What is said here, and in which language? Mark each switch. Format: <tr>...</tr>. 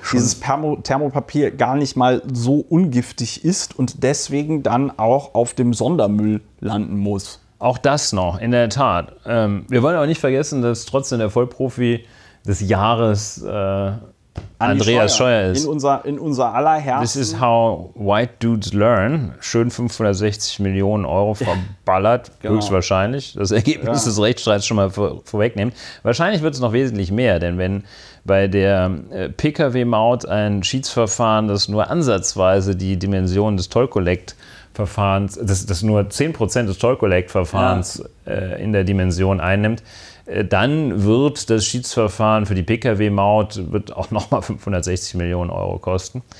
<de>Dieses Thermopapier gar nicht mal so ungiftig ist und deswegen dann auch auf dem Sondermüll landen muss. Auch das noch, in der Tat. Wir wollen aber nicht vergessen, dass trotzdem der Vollprofi des Jahres Andreas Scheuer ist. In unser aller Herzen.</de> <en>This is how white dudes learn.</en> <de>Schön 560 Millionen Euro verballert, genau. Höchstwahrscheinlich. Das Ergebnis des Rechtsstreits schon mal vorwegnehmen. Wahrscheinlich wird es noch wesentlich mehr, denn wenn bei der Pkw-Maut ein Schiedsverfahren, das nur ansatzweise die Dimension des Toll-Collect-Verfahrens, das nur 10% des Toll-Collect-Verfahrens in der Dimension einnimmt, dann wird das Schiedsverfahren für die Pkw-Maut wird auch nochmal 560 Millionen Euro kosten.</de>